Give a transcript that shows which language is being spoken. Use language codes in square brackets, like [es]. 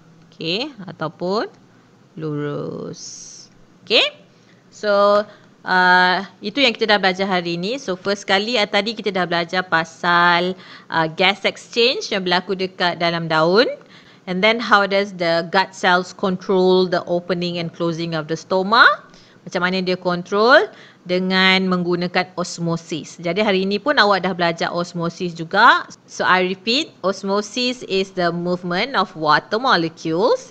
[ms] Okay, ataupun lurus. Okay, so itu yang kita dah belajar hari ini. So, first kali tadi kita dah belajar pasal gas exchange yang berlaku dekat dalam daun. [en] And then, how does the gut cells control the opening and closing of the stoma? [ms] Macam mana dia control? Dengan menggunakan osmosis. Jadi hari ini pun awak dah belajar osmosis juga. [en] So I repeat, osmosis is the movement of water molecules.